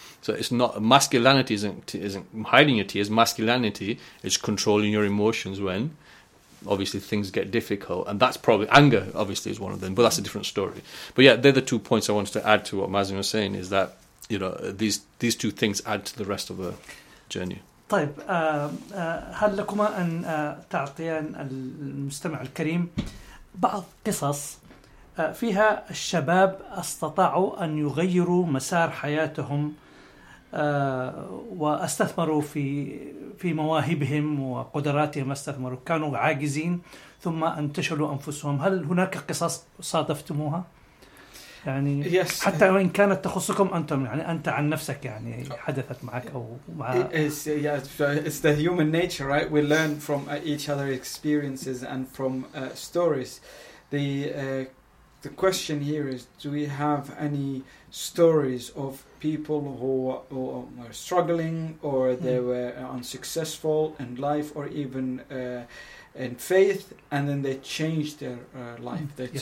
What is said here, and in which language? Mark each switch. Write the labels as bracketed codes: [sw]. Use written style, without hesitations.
[en] So it's not, masculinity isn't hiding your tears. Masculinity is controlling your emotions when, obviously, things get difficult. And that's probably, anger, obviously, is one of them. But that's a different story. But yeah, they're the two points I wanted to add to what Mazen was saying, is that, you know, these two things add to the rest of the journey. [ar] طيب هل لكم أن تعطيان المستمع الكريم بعض قصص فيها الشباب استطاعوا أن يغيروا مسار حياتهم واستثمروا في مواهبهم وقدراتهم، استثمروا، كانوا عاجزين ثم انتشلوا أنفسهم، هل هناك قصص صادفتموها؟ يعني [en] yes. [ar] حتى وإن كانت تخصكم أنتم، يعني أنت عن نفسك يعني حدثت معك أو مع [en] it's the human nature, right? We learn from each other's experiences and from stories. The question here is, do we have any stories of people who were struggling, or they were unsuccessful in life, or even in faith, and then they changed their life, they yes.